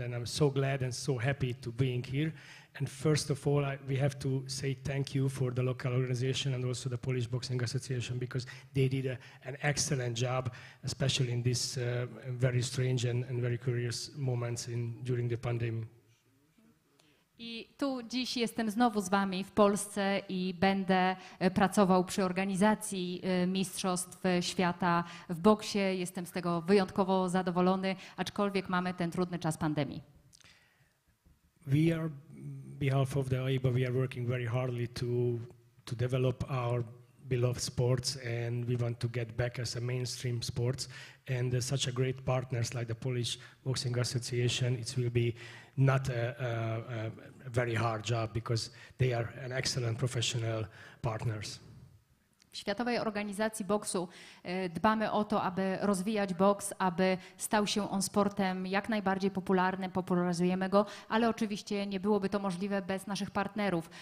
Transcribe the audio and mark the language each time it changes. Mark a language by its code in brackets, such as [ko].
[en] And I'm so glad and so happy to be here. And first of all, we have to say thank you for the local organization and also the Polish Boxing Association, because they did an excellent job, especially in this very strange and very curious moments during the pandemic. [pl] I tu dziś jestem znowu z wami w Polsce i będę pracował przy organizacji Mistrzostw Świata w boksie. Jestem z tego wyjątkowo zadowolony, aczkolwiek mamy ten trudny czas pandemii. [en] We are, behalf of the AIBA, we are working very hardly to develop our beloved sports, and we want to get back as a mainstream sports. And such a great partners like the Polish Boxing Association, it will be not a very hard job, because they are an excellent professional partners. [pl] W Światowej Organizacji Boksu dbamy o to, aby rozwijać boks, aby stał się on sportem jak najbardziej popularnym, popularyzujemy go, ale oczywiście nie byłoby to możliwe bez naszych partnerów.